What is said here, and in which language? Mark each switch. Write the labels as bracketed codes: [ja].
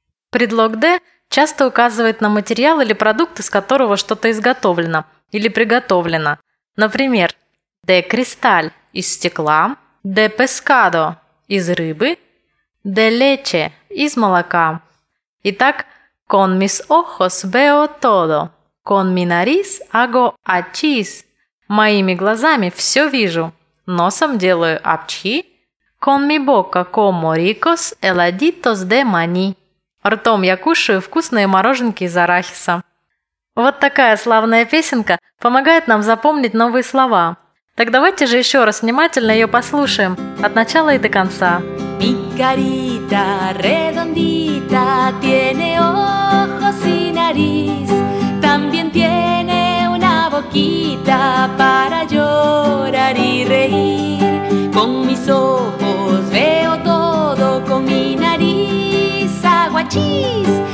[ru] Предлог «de» часто указывает на материал или продукт, из которого что-то изготовлено или приготовлено. Например, [es] de cristal [ru] – из стекла, [es] de pescado [ru] – из рыбы, [es] de leche [ru] – из молока. [es] Итак, con mis ojos veo todo, con mi nariz hago achis. [ru] Моими глазами все вижу, носом делаю апчхи, [es] con mi boca como ricos heladitos de maní. [ru] Ртом я кушаю вкусные мороженки из арахиса. Вот такая славная песенка помогает нам запомнить новые слова. Так давайте же еще раз внимательно ее послушаем от начала и до конца. [es] Mi carita redondita tiene ojos y nariz. También tiene una boquita para llorar y reír. Con mis ojos veo todo, con mi nariz hago achis.